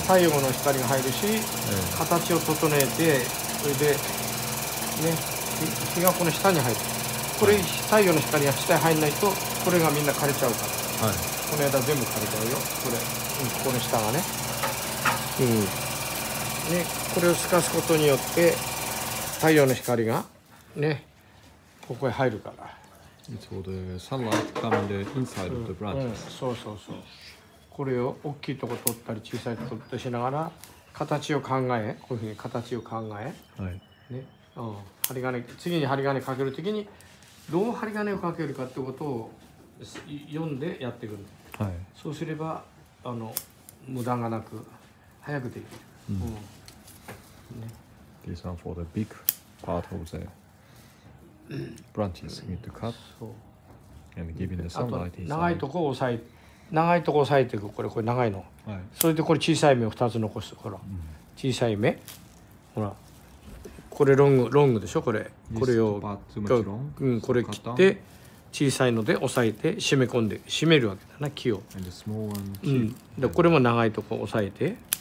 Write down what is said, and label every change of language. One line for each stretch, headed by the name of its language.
Japanese: 太陽の光が入るし、形を整えて、それで、ね、日がこの下に入る、これ、はい、太陽の光が下に入らないと、これがみんな枯れちゃうから、はい、この枝全部枯れちゃうよ、これ、うん、ここの下がね、うんね、これを透かすことによって太陽の光がね、ここへ入るから。
English: It's for the sunlight coming inside of the branches.
Japanese: そうそうそう。これを大きいとこ取ったり小さいとこ取ったりしながら形を考え、こういうふうに形を考え。はい。ね、うん、針金、次に針金かけるときにどう針金をかけるかってことを読んでやっていくの。はい。そうすればあの無駄がなく早くできる。 Mm.
English: Yeah. These are for the big part of the branches you need to cut and giving the sunlight inside.
Japanese: 長いところを押さえ長いところ裂いていく、これ長いの、はい、それでこれ小さい芽を2つ残す、ほら、うん、小さい芽、ほらこれロングでしょ、これ、これを、うん、これ切って小さいので押さえて締め込んで締めるわけだな、木を、うん、でこれも長いところ押さえて